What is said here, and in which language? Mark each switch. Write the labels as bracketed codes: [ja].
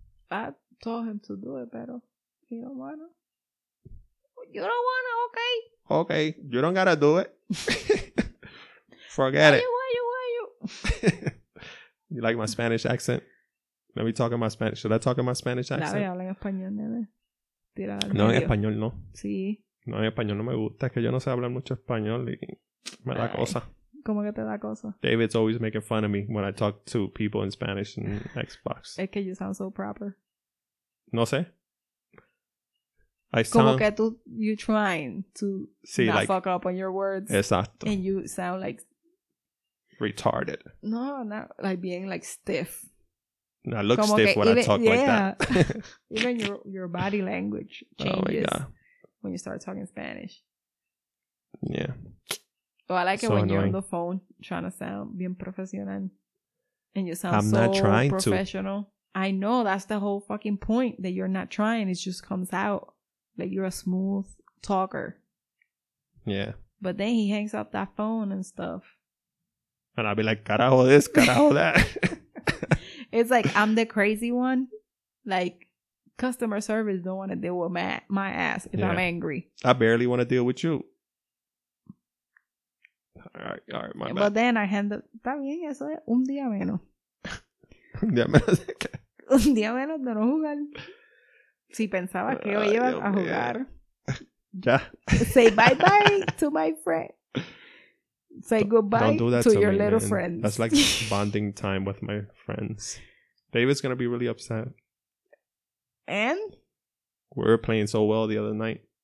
[en] I told him to do it, [es] pero [en] he don't want to. You don't want to, okay? Okay, you don't got to do it. Forget it. Why you? You like my Spanish accent? Let me talk in my Spanish. Should I talk in my Spanish accent? [es] Claro, habla en español, nene. No, en español no. Sí. No, en español no me gusta. Es que yo no sé hablar mucho español y me da cosa. ¿Cómo que te da cosa? [en] David's always making fun of me when I talk to people in Spanish and Xbox. [es] Es que [en] you sound so proper. [es] No sé. Como que tú, [en] you're trying to not like, fuck up on your words. Exacto. And you sound like... Retarded. No, not like being like stiff. No, I look stiff when I talk like that. Even your body language changes when you start talking Spanish. Yeah. Oh, I like it when you're on the phone trying to sound [es] bien profesional. [en] And you sound so professional. I know, that's the whole fucking point, that you're not trying. It just comes out. Like, you're a smooth talker. Yeah. But then he hangs up that phone and stuff. And I'll be like, carajo this, carajo that. It's like, I'm the crazy one. Like, customer service don't want to deal with my ass if I'm angry. I barely want to deal with you. All right, my bad. But then I handle... [es] Está bien, eso es un día menos. Un día menos de qué? Un día menos de no jugar. Si pensaba que hoy iba a jugar. Ya. [en] Say bye-bye to my friend. say goodbye to your little friends. That's like bonding time with my friends. David's going to be really upset. And? We were playing so well the other night.